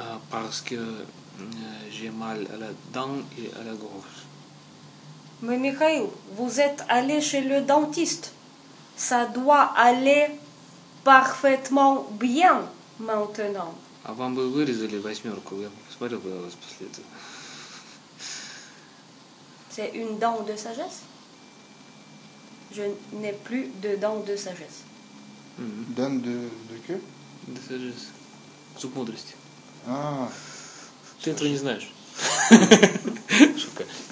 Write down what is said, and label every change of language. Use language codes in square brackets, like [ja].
[fr] Parce que j'ai mal à la dent et à la gorge. Mais Mikhaïl, vous êtes allé chez le dentiste. Ça doit aller parfaitement bien maintenant. [ru] А вам бы вырезали восьмерку, я посмотрел бы на вас после этого. [fr] C'est une dent de sagesse? Je n'ai plus de dent de sagesse. Dent de que? De sagesse. [ru] Зуб мудрости. А. Ты этого не знаешь. Шука.